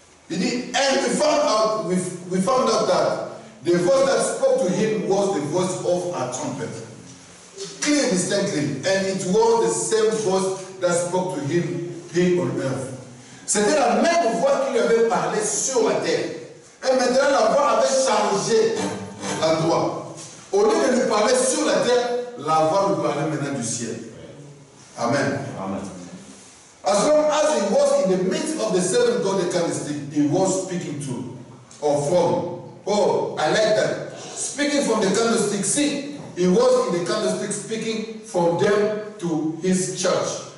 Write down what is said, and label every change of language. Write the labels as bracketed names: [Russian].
[French] Il dit, [English] and we found out that the voice that spoke to him was the voice of a trumpet. Clear distinctly. And it was the same voice that spoke to him here on earth. [French] C'était la même voix qui lui avait parlé sur la terre. Et maintenant la voix avait changé l'endroit. Au lieu de lui parler sur la terre, la voix lui parlait maintenant du ciel. Amen. Amen. [English] As long as he was in the midst of the seven golden candlesticks, he was speaking to or from. Oh, I like that. Speaking from the candlestick, see, he was in the candlestick speaking from them to his church.